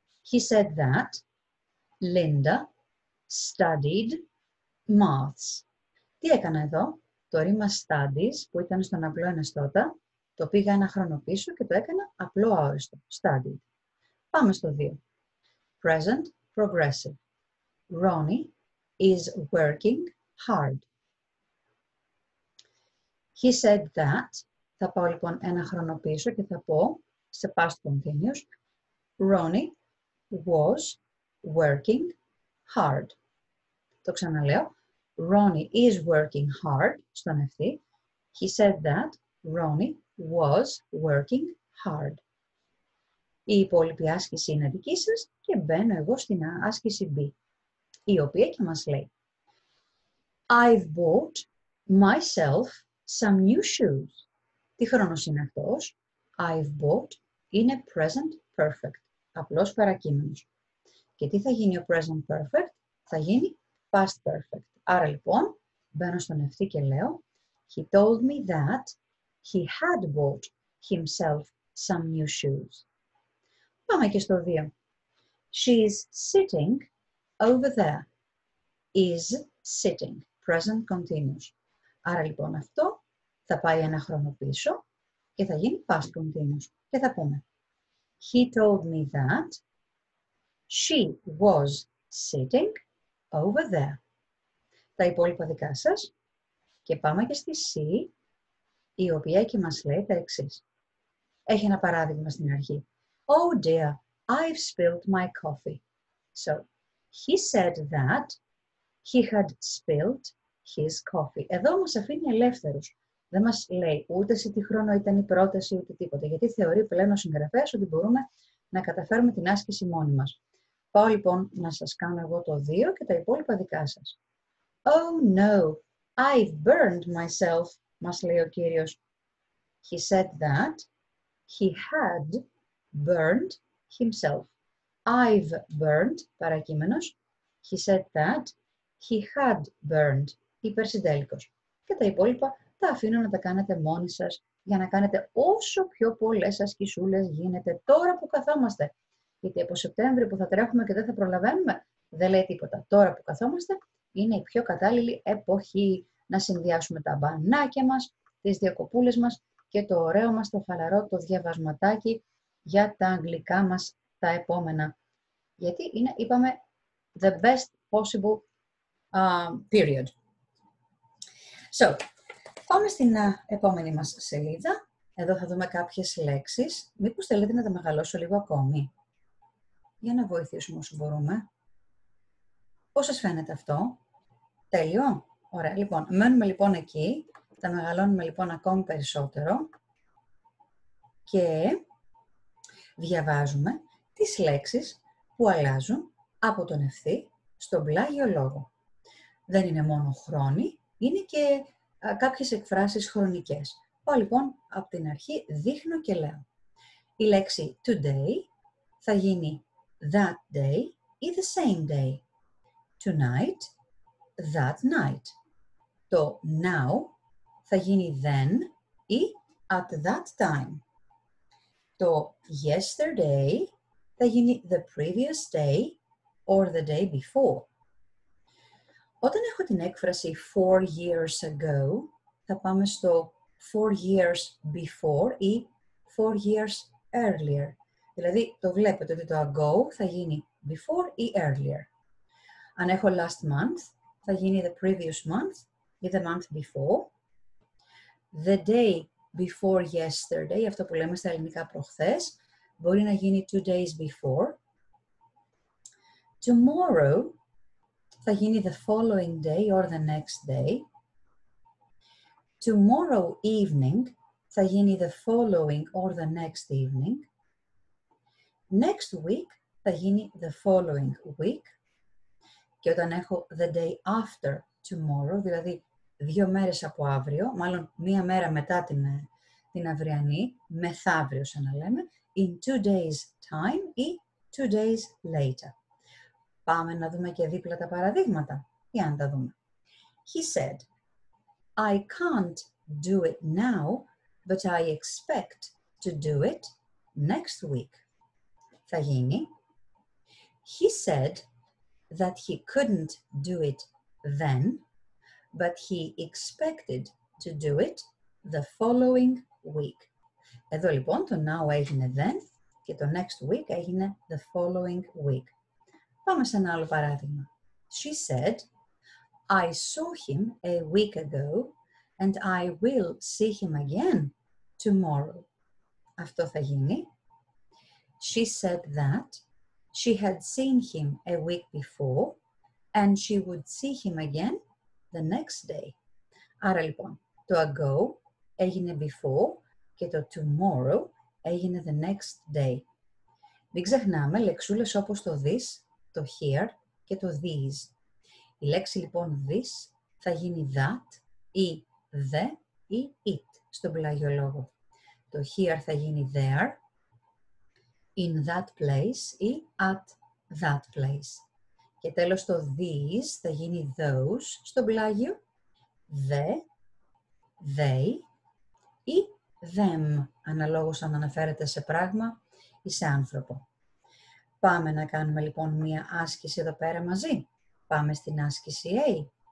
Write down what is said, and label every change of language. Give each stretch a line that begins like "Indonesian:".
English: He said that Linda studied maths.
Greek: Τι έκανα εδώ? Το ρήμα studies που ήταν στον απλό εναστώτα, το πήγα ένα χρόνο πίσω και το έκανα απλό αόριστο. Studied. Πάμε στο 2. Present progressive.
English: Ronnie is working hard. He said that.
Greek: Θα πάω λοιπόν ένα χρόνο πίσω και θα πω σε past continuous.
English: Ronnie was working hard.
Greek: Το ξαναλέω.
English: Ronnie is working hard.
Greek: Στον ευθύ.
English: He said that Ronnie was working hard.
Greek: Η υπόλοιπη άσκηση είναι δική σας και μπαίνω εγώ στην άσκηση B, η οποία και μας λέει
English: I've bought myself some new shoes.
Greek: Τι χρόνος είναι αυτός? I've bought είναι present perfect, απλώς παρακείμενος. Και τι θα γίνει ο present perfect? Θα γίνει past perfect. Άρα λοιπόν, μπαίνω στον ευθύ και λέω
English: He told me that he had bought himself some new shoes.
Greek: Πάμε και στο 2.
English: She's sitting over there. Is sitting. Present continuous.
Greek: Άρα λοιπόν αυτό θα πάει ένα χρόνο πίσω και θα γίνει past continuous. Και θα πούμε
English: He told me that she was sitting over there.
Greek: Τα υπόλοιπα δικά σας. Και πάμε και στη C, η οποία και μας λέει τα εξής. Έχει ένα παράδειγμα στην αρχή.
English: Oh dear, I've spilled my coffee. So, he said that he had spilled his coffee.
Greek: Εδώ μας αφήνει ελεύθερους. Δεν μας λέει ούτε σε τι χρόνο ήταν η πρόταση, ούτε τίποτα. Γιατί θεωρεί πλέον ο συγγραφέας ότι μπορούμε να καταφέρουμε την άσκηση μόνοι μας. Πάω λοιπόν να σας κάνω εγώ το 2 και τα υπόλοιπα δικά σας.
English: Oh no, I've burned myself,
Greek: μας λέει ο κύριος.
English: He said that he had burned himself. I've burned, παρακείμενος. He said that he had burned, υπερσυντέλικος.
Greek: Και τα υπόλοιπα τα αφήνω να τα κάνετε μόνοι σας για να κάνετε όσο πιο πολλές ασκησούλες γίνεται τώρα που καθόμαστε. Γιατί από Σεπτέμβριο που θα τρέχουμε και δεν θα προλαβαίνουμε, δεν λέει τίποτα. Τώρα που καθόμαστε είναι η πιο κατάλληλη εποχή να συνδυάσουμε τα μπανάκια μας, τις διακοπούλες μας και το ωραίο μας, το χαλαρό, το διαβασματάκι για τα αγγλικά μας τα επόμενα. Γιατί είναι, είπαμε,
English: the best possible period.
Greek: So, πάμε στην επόμενη μας σελίδα. Εδώ θα δούμε κάποιες λέξεις. Μήπως θέλετε να τα μεγαλώσω λίγο ακόμη. Για να βοηθήσουμε όσο μπορούμε. Πώς σας φαίνεται αυτό? Τέλειο. Ωραία, λοιπόν, μένουμε λοιπόν εκεί, τα μεγαλώνουμε λοιπόν ακόμη περισσότερο και διαβάζουμε τις λέξεις που αλλάζουν από τον ευθύ στον πλάγιο λόγο. Δεν είναι μόνο χρόνοι, είναι και κάποιες εκφράσεις χρονικές. Πάω λοιπόν από την αρχή, δείχνω και λέω. Η λέξη today θα γίνει that day ή the same day.
English: Tonight, that night.
Greek: Το
English: now
Greek: θα γίνει
English: then ή at that time.
Greek: Το
English: yesterday
Greek: θα γίνει
English: the previous day or the day before.
Greek: Όταν έχω την έκφραση 4 years ago, θα πάμε στο 4 years before ή 4 years earlier. Δηλαδή το βλέπετε ότι το ago θα γίνει before ή earlier. Αν έχω
English: last month,
Greek: θα γίνει
English: the previous month ή the month before. The day before yesterday,
Greek: αυτό που λέμε στα ελληνικά προχθές, μπορεί να γίνει
English: 2 days before. Tomorrow
Greek: θα γίνει
English: the following day or the next day. Tomorrow evening
Greek: θα γίνει
English: the following or the next evening. Next week
Greek: θα γίνει
English: the following week.
Greek: Και όταν έχω the day after tomorrow, δηλαδή 2 μέρες από αύριο, μάλλον 1 μέρα μετά την την αυριανή, μεθαύριο σαν να λέμε,
English: in 2 days' time ή 2 days' later.
Greek: Πάμε να δούμε και δίπλα τα παραδείγματα, για να τα δούμε.
English: He said, I can't do it now, but I expect to do it next week.
Greek: Θα γίνει.
English: He said that he couldn't do it then, but he expected to do it the following week.
Greek: Εδώ λοιπόν το now έγινε then και το next week έγινε the following week. Πάμε σε ένα άλλο παράδειγμα.
English: She said, I saw him a week ago and I will see him again tomorrow.
Greek: Αυτό θα γίνει.
English: She said that she had seen him a week before and she would see him again the next day.
Greek: Άρα λοιπόν, το ago έγινε before και το tomorrow έγινε the next day. Μην ξεχνάμε λεξούλες όπως το this, το here και το these. Η λέξη λοιπόν this θα γίνει that ή the ή it στον πλάγιο λόγο. Το here θα γίνει there, in that place ή at that place. Και τέλος το these θα γίνει those στον πλάγιο, the, they ή them, αναλόγως αν αναφέρεται σε πράγμα ή σε άνθρωπο. Πάμε να κάνουμε λοιπόν μία άσκηση εδώ πέρα μαζί. Πάμε στην άσκηση A.